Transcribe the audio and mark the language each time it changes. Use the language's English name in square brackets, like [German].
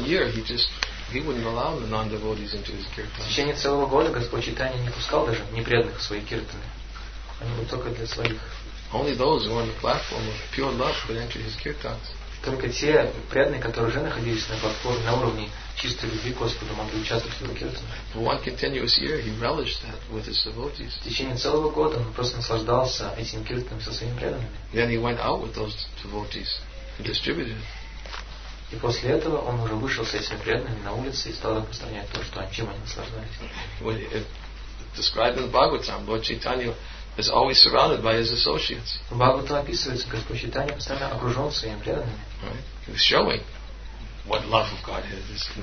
[Russian] В течение целого года Господь Чайтанья не пускал даже непреданных в свои киртаны. Они были только для своих. [English] Only those who are on the platform of pure love could enter his kirtans. [Russian] Только те преданные, которые уже находились на платформе на уровне чистой любви к Господу, могли участвовать в его киртанах. [English] One continuous year he relished that with his devotees. [Russian] В течение целого года он просто наслаждался этим киртаном со своими преданными. [English] Then he went out with those devotees and distributed it. [Russian] И после этого он уже вышел с этими преданными на улице и стал распространять то, что чем они наслаждались. [English] Well, described in the Bhagavatam, Lord Chaitanya is always surrounded by his associates. [Russian] Бхагаватам описывается, как Господь Чайтанья постоянно окружен своими преданными. [English] Right. He's showing what love of God is.